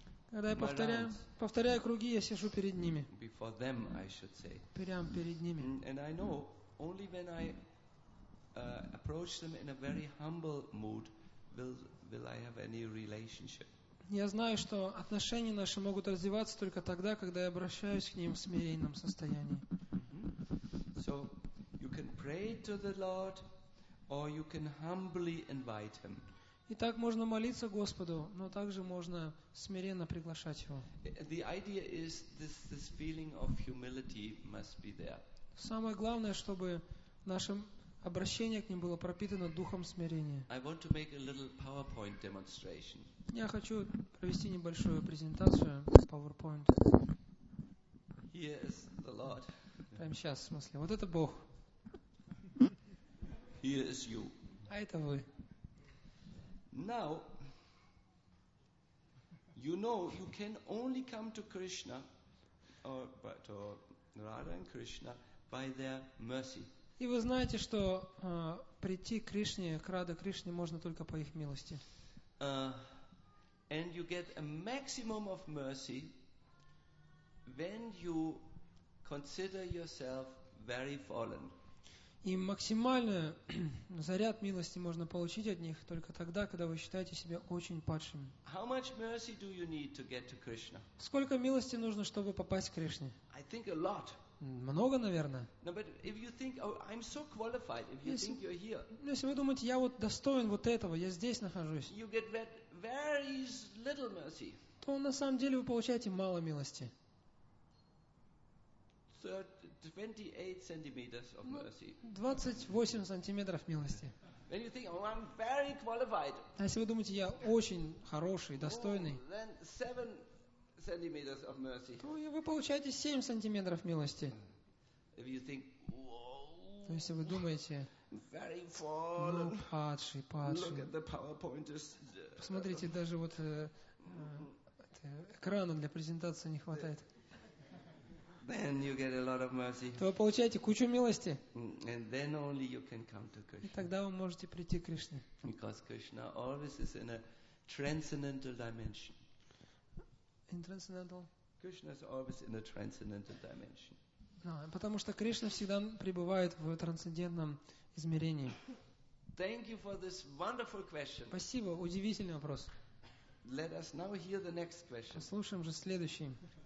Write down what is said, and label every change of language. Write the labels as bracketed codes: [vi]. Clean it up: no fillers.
[ru] Когда я повторяю круги, я сижу перед ними. [en] Before them, I should say. [ru] Прямо перед ними. [en] And I know only when I approach them in a very humble mood will I have any relationship. [ru] Я знаю, что отношения наши могут развиваться только тогда, когда я обращаюсь к ним в смиренном состоянии. [en] So you can pray to the Lord Or you can humbly invite him. [ru] И так можно молиться Господу, но также можно смиренно приглашать его. [en] The idea is this feeling of humility must be there. [ru] Самое главное, чтобы наше обращение к Ним было пропитано духом смирения. [en] I want to make a little PowerPoint demonstration. [ru] Я хочу провести небольшую презентацию PowerPoint. [en] Yes, the Lord. [ru] Прямо сейчас, в смысле. Вот это Бог. [en] Here is you. [ru] А это вы. [en] Now, you know, you can only come to Krishna, or Radha and Krishna, by their mercy. [ru] И вы знаете, что прийти к Кришне, к Радхе Кришне, можно только по их милости. [en] And you get a maximum of mercy when you consider yourself very fallen. [ru] И максимальный заряд милости можно получить от них только тогда, когда вы считаете себя очень падшим. [en] How much mercy do you need to get to Krishna? [ru] Сколько милости нужно, чтобы попасть к Кришне? [en] I think a lot. [ru] Много, наверное. [en] No, but if you think, oh, I'm so qualified, if you think you're here. [ru] Если вы думаете, я вот достоин вот этого, я здесь нахожусь. [en] You get very little mercy. [ru] То на самом деле вы получаете мало милости. [en] 28 centimeters of mercy. [ru] 28 сантиметров милости. [en] When you think, oh, I'm very qualified. [ru] А если вы думаете, я очень хороший, достойный. [en] Oh, then 7 centimeters of mercy. [ru] То вы получаете 7 сантиметров милости. [en] If you think, whoa. [ru] Если вы думаете, [en] very fallen. [ru] Ну, падший, падший. [en] Look at the PowerPoint. [ru] Посмотрите, даже вот экрана для презентации не хватает. [en] Then you get a lot of mercy. [ru] То вы получаете кучу милости. [en] And then only you can come to Krishna. [ru] И тогда вы можете прийти к Кришне. [en] Because Krishna always is in a transcendental dimension. In transcendental. Krishna is always in a transcendental dimension. [ru] No, потому что Кришна всегда пребывает в трансцендентном измерении. [en] Thank you for this wonderful question. [ru] Спасибо, удивительный вопрос. [en] Let us now hear the next question. [ru] Послушаем же следующий.